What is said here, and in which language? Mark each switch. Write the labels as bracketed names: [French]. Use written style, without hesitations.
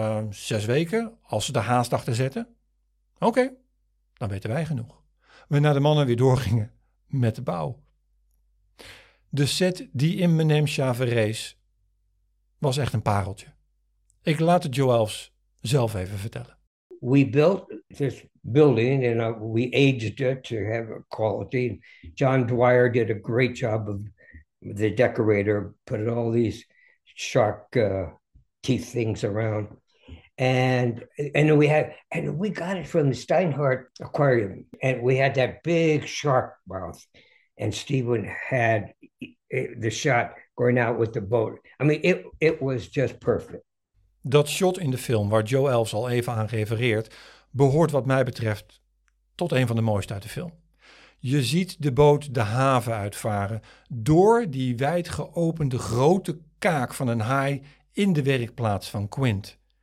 [Dutch] 6 weken als ze de haast achter zetten? Oké, dan weten wij genoeg. We naar de mannen weer doorgingen met de bouw. De set die in Manemsha verrees was echt een pareltje. Ik laat het Joe Elfs zelf even vertellen. [English] We built this building and we aged it to have a quality. John Dwyer did a great job of the decorator, put all these shark teeth things around. And we had, and we got it from the Steinhardt Aquarium, and we had that big shark mouth, and Steven had the shot going out with the boat. I mean, it was just perfect. [Dutch] Dat shot in de film waar Joe Elfs al even aan refereert, behoort wat mij betreft tot een van de mooiste uit de film. Je ziet de boot de haven uitvaren door die wijd geopende grote kaak van een haai in de werkplaats van Quint.